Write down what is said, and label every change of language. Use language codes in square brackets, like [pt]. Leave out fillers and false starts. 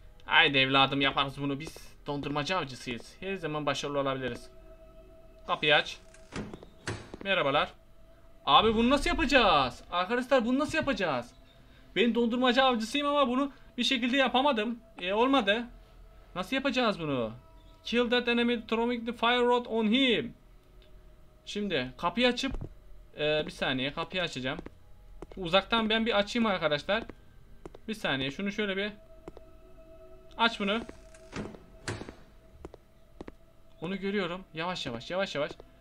[tr] Haydi evladım, yaparız bunu biz. Dondurmacı avcısıyız. Her zaman başarılı olabiliriz. Kapıyı aç. Merhabalar. Abi bunu nasıl yapacağız? Arkadaşlar bunu nasıl yapacağız? Ben dondurmacı avcısıyım ama bunu bir şekilde yapamadım. Olmadı. Nasıl yapacağız bunu? [en] Kill that enemy, throw the fire rod on him. [tr] Şimdi kapıyı açıp bir saniye, kapıyı açacağım. Uzaktan ben bir açayım arkadaşlar. Bir saniye, şunu şöyle bir aç bunu. Onu görüyorum. Yavaş yavaş, yavaş yavaş.